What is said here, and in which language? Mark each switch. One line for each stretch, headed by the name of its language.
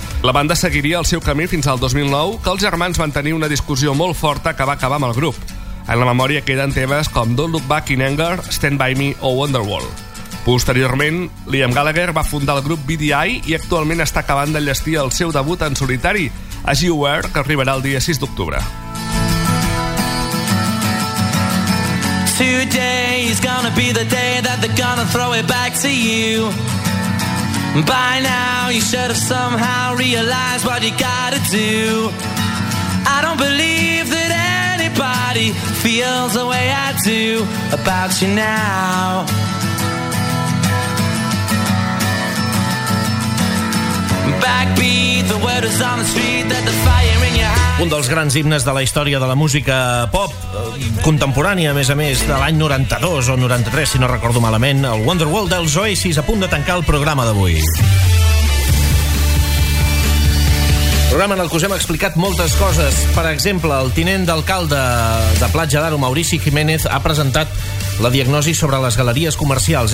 Catalan: La banda seguiria el seu camí fins al 2009, que els germans van tenir una discussió molt forta que va acabar amb el grup. En la memòria queden temes com Don't Look Back in Anger, Stand By Me o Wonderwall. Posteriorment, Liam Gallagher va fundar el grup BDI i actualment està acabant d'enllestir el seu debut en solitari, As You Were, que arribarà el dia 6 d'octubre.
English: Today is gonna be the day that they're gonna throw it back to you. By now you should have somehow realized what you gotta do. I don't believe that anybody feels the way I do about you now. Backbeat, the word is on the street that the fire in your heart.
Catalan: Un dels grans himnes de la història de la música pop contemporània, a més de l'any 92 o 93, si no recordo malament, el Wonderwall dels Oasis, a punt de tancar el programa d'avui. Programa en el que us hem explicat moltes coses. Per exemple, el tinent d'alcalde de Platja d'Aro, Maurici Jiménez, ha presentat la diagnosi sobre les galeries comercials.